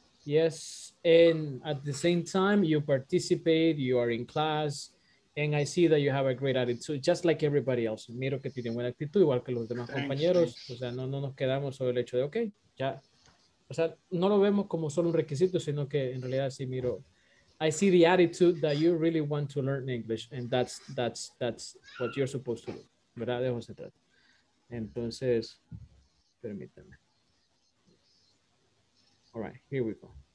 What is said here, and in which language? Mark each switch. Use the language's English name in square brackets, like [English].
[English] Yes, and at the same time, you participate, you are in class, and I see that you have a great attitude, just like everybody else. [Spanish] Miro que tienen buena actitud, igual que los demás, [English] thanks, [Spanish] compañeros. [English] Thanks. [Spanish] O sea, no nos quedamos sobre el hecho de, okay, ya. O sea, no lo vemos como solo un requisito, sino que en realidad sí, miro. [English] I see the attitude that you really want to learn English, and that's what you're supposed to do. [Spanish] ¿Verdad? De eso se trata. Entonces, permítanme. [English] All right, here we go.